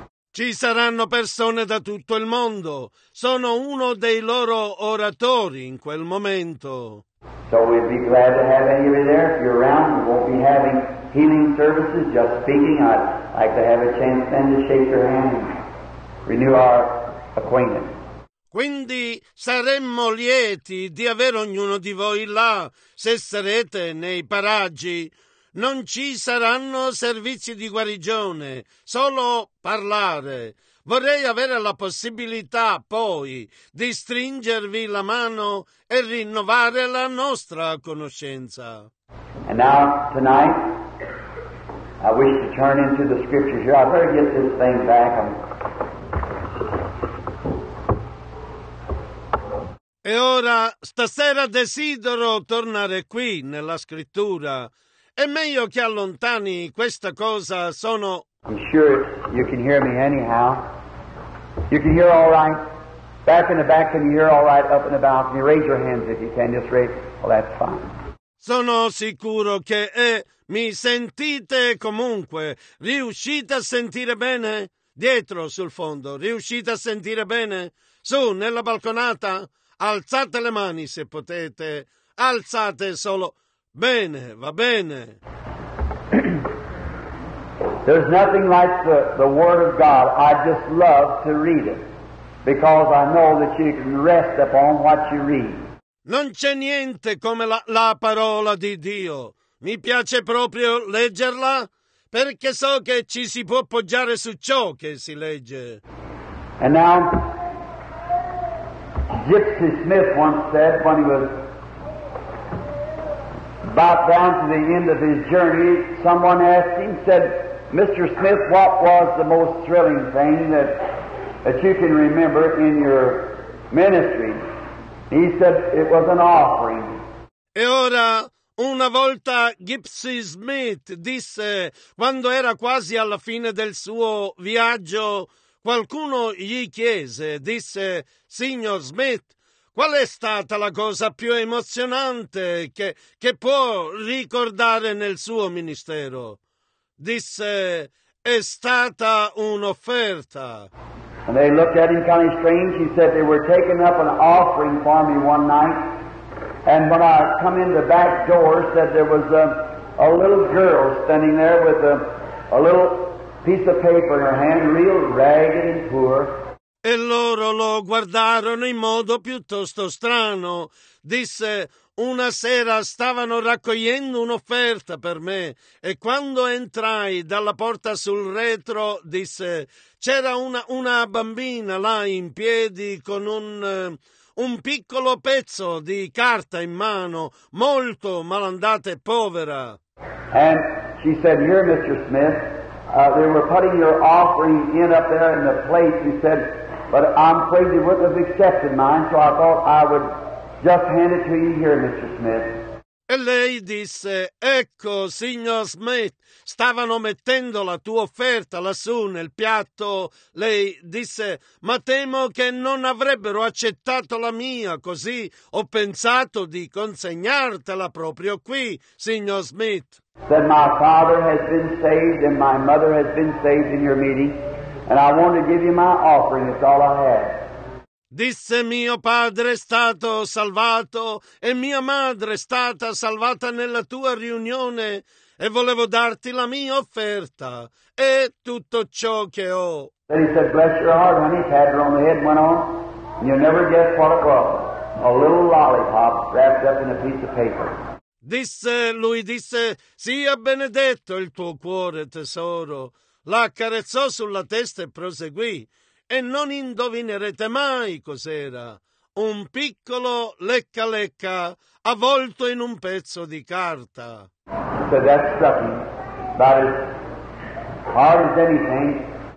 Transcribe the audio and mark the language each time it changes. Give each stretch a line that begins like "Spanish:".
Italian: Ci saranno persone da tutto il mondo, sono uno dei loro oratori in quel momento.
English: So we'd be glad to have any of you there. If you're around, we won't be having healing services, just speaking. I'd like to have a chance then to shake your hand and renew our acquaintance.
Italian: Quindi saremmo lieti di avere ognuno di voi là, se sarete nei paraggi. Non ci saranno servizi di guarigione, solo parlare. Vorrei avere la possibilità poi di stringervi la mano e rinnovare la nostra conoscenza.
English: And now tonight I wish to turn into the scriptures here. I better get this thing back.
Italian: E ora stasera desidero tornare qui nella scrittura. È meglio che allontani questa cosa, sono.
English: I'm sure you can hear me anyhow. You can hear all right. Back in the back, can you hear all right? Up in the balcony, raise your hands if you can. Just raise. Well, that's fine.
Italian: Sono sicuro che mi sentite comunque. Riuscite a sentire bene? Dietro, sul fondo. Riuscite a sentire bene? Su, nella balconata. Alzate le mani se potete. Alzate solo. Bene, va bene.
English: There's nothing like the Word of God. I just love to read it because I know that you can rest upon what you read.
Italian: Non c'è niente come la parola di Dio. Mi piace proprio leggerla perché so che ci si può appoggiare su ciò che si legge.
English: And now, Gypsy Smith once said when he was about down to the end of his journey, someone asked him, said, Mr. Smith, what was the most thrilling thing that you can remember in your ministry? He said it was an offering.
Italian: E ora, una volta Gypsy Smith disse, quando era quasi alla fine del suo viaggio, qualcuno gli chiese, disse, Signor Smith, qual è stata la cosa più emozionante che può ricordare nel suo ministero? Disse, è stata un'offerta.
English: And they looked at him kind of strange. He said they were taking up an offering for me one night. And when I come in the back door, said there was a little girl standing there with a little piece of paper in her hand, real ragged and poor.
Italian: E loro lo guardarono in modo piuttosto strano. Disse, una sera stavano raccogliendo un'offerta per me e quando entrai dalla porta sul retro, disse, c'era una bambina là in piedi con un piccolo pezzo di carta in mano, molto malandata e povera.
English: And she said, here, Mr. Smith, they were putting your offering in up there in the plate, she said, but I'm afraid they wouldn't have accepted mine, so I thought I would just hand it to you here, Mr. Smith.
Italian: E lei disse, ecco, signor Smith, stavano mettendo la tua offerta lassù nel piatto. Lei disse, ma temo che non avrebbero accettato la mia, così ho pensato di consegnartela proprio qui, signor Smith.
English: Said my father has been saved and my mother has been saved in your meeting, and I want to give you my offering, it's all I have.
Italian: Disse mio padre è stato salvato e mia madre è stata salvata nella tua riunione e volevo darti la mia offerta e tutto ciò che ho.
English: Then he said, bless your heart, honey, pat her on the head, went on, and you'll never guess what it was. A little lollipop wrapped up in a piece of paper.
Italian: Lui disse, sia benedetto il tuo cuore, tesoro. La accarezzò sulla testa e proseguì. E non indovinerete mai cos'era. Un piccolo lecca-lecca avvolto in un pezzo di carta.
English: So that's something about as hard as anything.